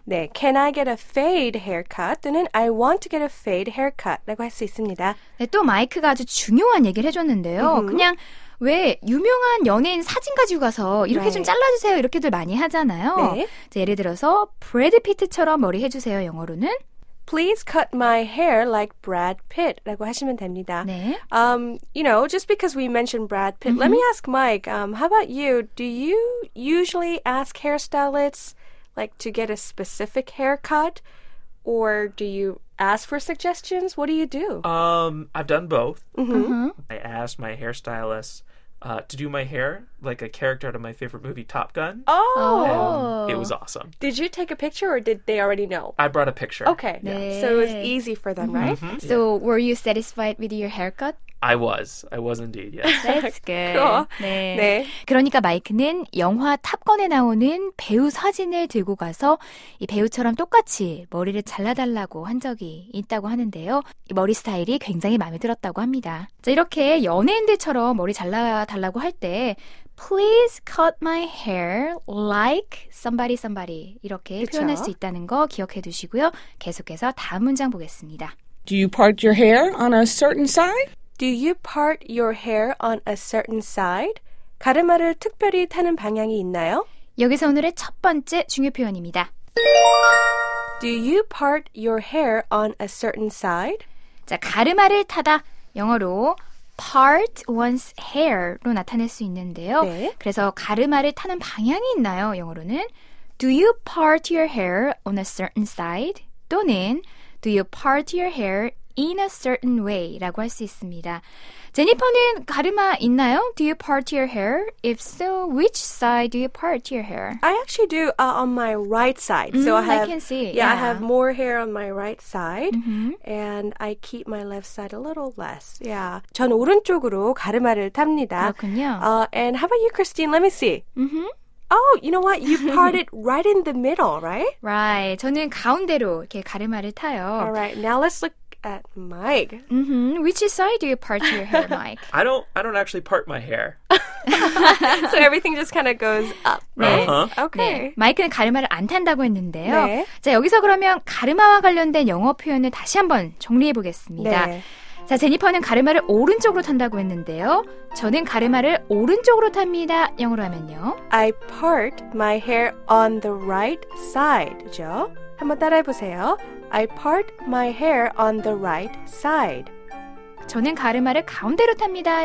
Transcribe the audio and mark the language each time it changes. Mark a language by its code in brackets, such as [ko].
[en] 네, can I get a fade haircut 또는 I want to get a fade haircut [ko] 라고 할 수 있습니다. 네, 또 마이크가 아주 중요한 얘기를 해줬는데요. 그냥 왜 유명한 연예인 사진 가지고 가서 이렇게 좀 잘라주세요 이렇게들 많이 하잖아요. 네. 예를 들어서 브래드 피트처럼 머리 해주세요. 영어로는 [en] Please cut my hair like Brad Pitt [ko] 라고 하시면 됩니다. 네. [en] You know, just because we mentioned Brad Pitt, let me ask Mike, how about you? Do you usually ask hairstylists like to get a specific haircut or do you ask for suggestions? What do you do? I've done both. Mm-hmm. I asked my hairstylist to do my hair like a character out of my favorite movie, Top Gun. Oh! And it was awesome. Did you take a picture or did they already know? I brought a picture. Okay. Yeah. So it was easy for them, right? Mm-hmm. So were you satisfied with your haircut? I was. I was indeed, yes. That's good. Cool. [ko] 네. 네. 그러니까 마이크는 영화 탑건에 나오는 배우 사진을 들고 가서 이 배우처럼 똑같이 머리를 잘라달라고 한 적이 있다고 하는데요. 이 머리 스타일이 굉장히 마음에 들었다고 합니다. 자, 이렇게 연예인들처럼 머리 잘라달라고 할 때 [en] Please cut my hair like somebody somebody [ko] 이렇게 그쵸? 표현할 수 있다는 거 기억해 두시고요. 계속해서 다음 문장 보겠습니다. [en] Do you part your hair on a certain side? Do you part your hair on a certain side? [ko] 가르마를 특별히 타는 방향이 있나요? 여기서 오늘의 첫 번째 중요 표현입니다. [en] Do you part your hair on a certain side? [ko] 자, 가르마를 타다 영어로 part one's hair로 나타낼 수 있는데요. 네. 그래서 가르마를 타는 방향이 있나요? 영어로는 [en] Do you part your hair on a certain side? 또는 Do you part your hair in a certain way [ko] 라고 할 수 있습니다. 제니퍼는 가르마 있나요? [en] Do you part your hair? If so, which side do you part your hair? I actually do on my right side. So I have, I can see. Yeah, I have more hair on my right side. Mm-hmm. And I keep my left side a little less. Yeah. [ko] 전 오른쪽으로 가르마를 탑니다. 그렇군요. [en] And how about you, Christine? Let me see. Mm-hmm. Oh, you know what? You part it right in the middle, right? Right. [ko] 저는 가운데로 이렇게 가르마를 타요. [en] All right. Now let's look at Mike. Mm-hmm. Which side do you part your hair, Mike? I don't actually part my hair. So everything just kind of goes up, right? Uh-huh. Okay. [ko] 네. 마이크는 가르마를 안 탄다고 했는데요. 네. 자, 여기서 그러면 가르마와 관련된 영어 표현을 다시 한번 정리해 보겠습니다. 네. 자, 제니퍼는 가르마를 오른쪽으로 탄다고 했는데요. 저는 가르마를 오른쪽으로 탑니다. 영어로 하면요. [en] I part my hair on the right side죠. [ko] 한번 따라해보세요. [en] I part my hair on the right side. [ko] 저는 가르마를 가운데로 탑니다.